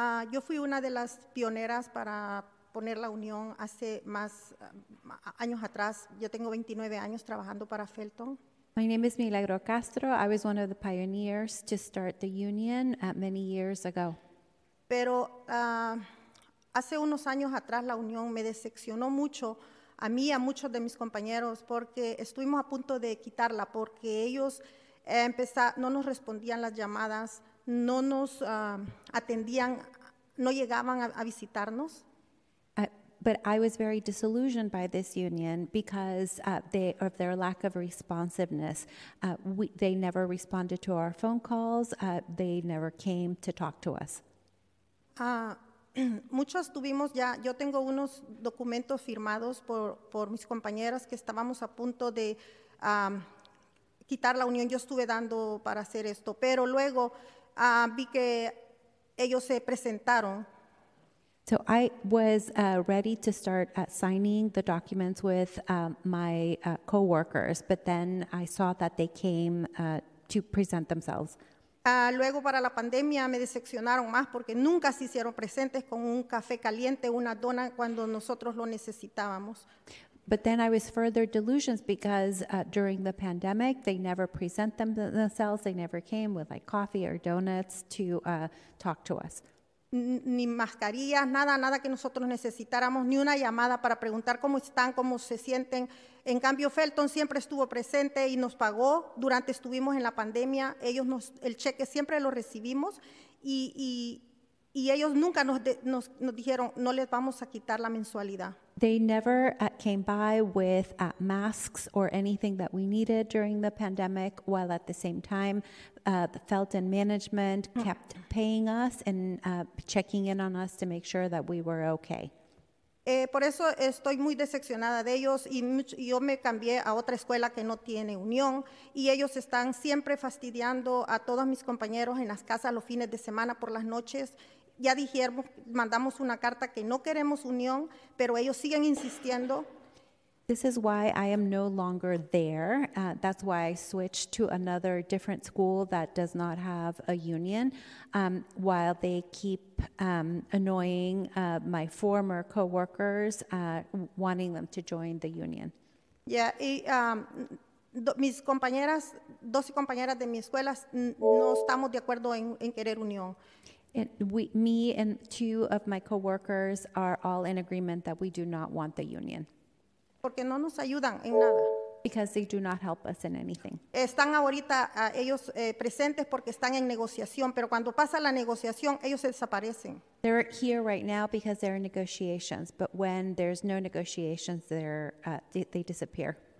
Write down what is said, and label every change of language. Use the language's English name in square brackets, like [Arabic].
[Spanish] Yo fui una de las pioneras para poner la unión hace más años atrás. Yo tengo 29 años trabajando para Felton. [English] My name is Milagro Castro. I was one of the pioneers to start the union many years ago. [Spanish] Pero hace unos años atrás la unión me decepcionó mucho a mí y a muchos de mis compañeros porque estuvimos a punto de quitarla porque ellos no nos respondían las llamadas, no nos atendían, no llegaban a visitarnos. [English] But I was very disillusioned by this union because of their lack of responsiveness. They never responded to our phone calls. They never came to talk to us. [Spanish] Muchos tuvimos ya, yo tengo unos documentos firmados por mis compañeras que estábamos a punto de quitar la unión. Yo estuve dando para hacer esto, pero luego vi que ellos se presentaron. [English] So I was ready to start signing the documents with my co-workers, but then I saw that they came to present themselves. [Spanish] Luego para la pandemia me decepcionaron más porque nunca se hicieron presentes con un café caliente, una dona cuando nosotros lo necesitábamos. [English] But then I was further delusions because during the pandemic they never present themselves, they never came with like coffee or donuts to talk to us. [Spanish] Ni mascarillas, nada que nosotros necesitáramos, ni una llamada para preguntar cómo están, cómo se sienten. En cambio, Felton siempre estuvo presente y nos pagó durante estuvimos en la pandemia. Ellos nos el cheque siempre lo recibimos y ellos nunca nos dijeron no les vamos a quitar la mensualidad. [English] They never came by with masks or anything that we needed during the pandemic, while at the same time the Felton management kept paying us and checking in on us to make sure that we were okay. [Spanish] Por eso estoy muy decepcionada de ellos y yo me cambié a otra escuela que no tiene unión y ellos están siempre fastidiando a todos mis compañeros en las casas los fines de semana por las noches. Ya dijimos, mandamos una carta que no queremos unión, pero ellos siguen insistiendo. [English] This is why I am no longer there. That's why I switched to another different school that does not have a union. While they keep annoying my former coworkers, wanting them to join the union. [Spanish] Yeah, mis compañeras, 12 compañeras de mi escuela, no estamos de acuerdo en querer unión. [English] Me and two of my coworkers are all in agreement that we do not want the union. [Spanish] Porque no nos ayudan en nada. [English] Because they do not help us in anything. [Spanish] Están ahorita ellos presentes porque están en negociación, pero cuando pasa la negociación, ellos se desaparecen. [English] They're here right now because they're in negotiations, but when there's no negotiations, they disappear.